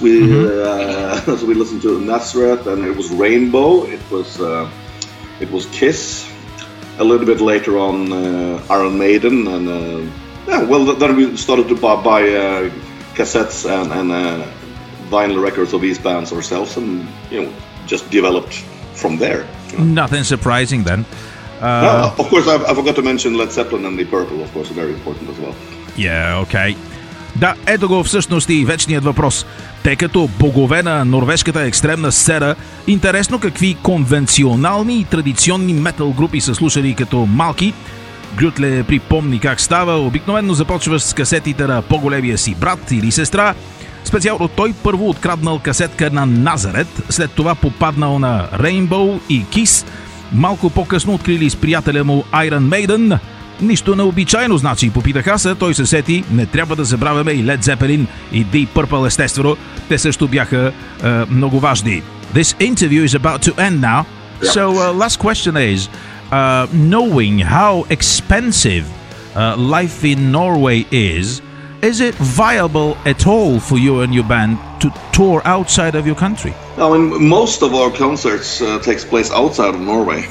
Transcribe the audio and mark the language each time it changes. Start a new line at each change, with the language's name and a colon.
English: We so we listened to Nazareth, and it was Rainbow, it was Kiss, a little bit later on Iron Maiden, and then we started to buy cassettes and vinyl records of these bands ourselves, and you know, just developed from there. Nothing surprising then. Of course, I forgot to mention Led Zeppelin and Deep Purple, of course, very important as well. Yeah, okay.
Bulgarian: Да, ето го всъщност и вечният въпрос. Те като богове на норвежката екстремна сцена, интересно какви конвенционални и традиционни метал групи са слушали като малки. Грютле припомни как става. Обикновено започваш с касетите на по-големия си брат или сестра. Специално той първо откраднал касетка на Назарет, след това попаднал на Rainbow и Kiss. Малко по-късно открили с приятеля му Iron Maiden. Нищо необичайно, значи, попитах аз, а той се сети, не трябва да забравяме и Led Zeppelin и Deep Purple, естествено. Те също бяха много важни.
English: This interview is about to end now. So, last question is, knowing how expensive life in Norway is, is it viable at all for you and your band to tour outside of your country? I mean, most of our concerts takes place outside of Norway.